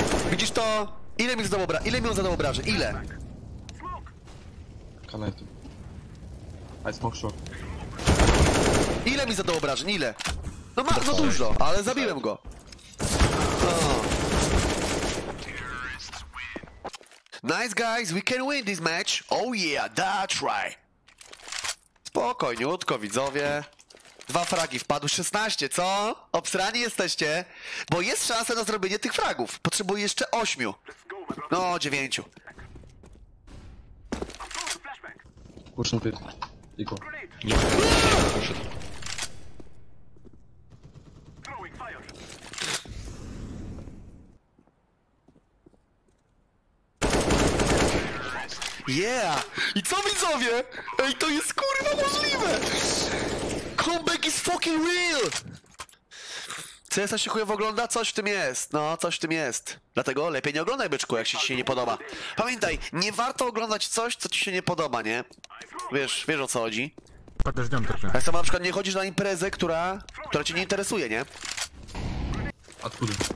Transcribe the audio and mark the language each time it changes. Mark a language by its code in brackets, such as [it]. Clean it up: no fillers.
[pl] Widzisz to? Ile mi zadał obrażeń? Ile? [en] Kanetu. I smoke short. [pl] Ile mi zadał obrażeń? Ile? No ma, no dużo, ale zabiłem go. Oh. [en] Nice guys, we can win this match. Oh yeah, that's right. [pl] Spokojniutko, widzowie. Dwa fragi wpadły, 16, co? Obsrani jesteście, bo jest szansa na zrobienie tych fragów. Potrzebuję jeszcze 8. No, 9. Kurczę, pyt. [en] I go. [ru] Не слышит. [pl] Yeah! I co widzowie? Ej, to jest kurwa możliwe! [en] Comeback is fucking real! [pl] CS się chujowo ogląda? Coś w tym jest. No, coś w tym jest. Dlatego lepiej nie oglądaj, byczku, jak się ci się nie podoba. Pamiętaj, nie warto oglądać coś, co ci się nie podoba, nie? Wiesz o co chodzi. Tak samo na przykład nie chodzisz na imprezę, która cię nie interesuje, nie? Odkudy?